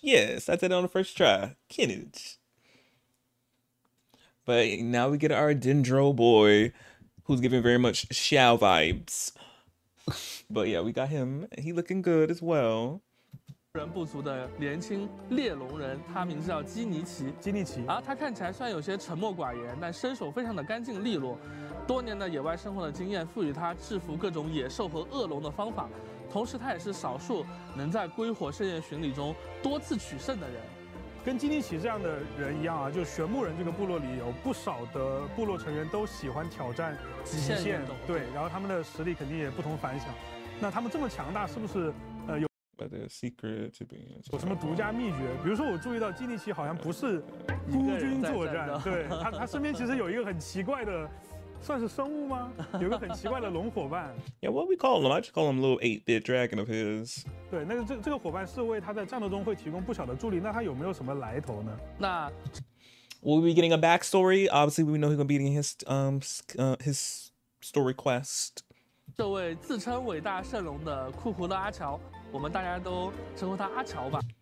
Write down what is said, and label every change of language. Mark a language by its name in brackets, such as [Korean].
[English] Yes, I said it on the first try. Kinnitch. But now we get our Dendro boy, who's giving very much Xiao vibes. But yeah, we got him. He looking good as well. [Chinese] 人不足的年轻猎龙人，他名字叫基尼奇。基尼奇啊，他看起来虽然有些沉默寡言，但身手非常的干净利落。多年的野外生活的经验赋予他制服各种野兽和恶龙的方法。同时，他也是少数能在归火盛宴巡礼中多次取胜的人。跟基尼奇这样的人一样啊，就玄牧人这个部落里有不少的部落成员都喜欢挑战极限对，然后他们的实力肯定也不同凡响。那他们这么强大，是不是有 [English] But the secret to be [Chinese] 有什么独家秘诀？比如说，我注意到基尼奇好像不是孤军作战，对他身边其实有一个很奇怪的。算是生物吗？有个很奇怪的龙伙伴。 [English] Yeah, what we call him? I just call him little 8-bit dragon of his. [Chinese] 对，那个这个伙伴是为他在战斗中会提供不小的助力。那他有没有什么来头呢？那 [English] we'll be getting a backstory. Obviously, we know he's gonna be getting his story quest. [Chinese] 这位自称伟大圣龙的酷酷的阿乔，我们大家都称呼他阿乔吧。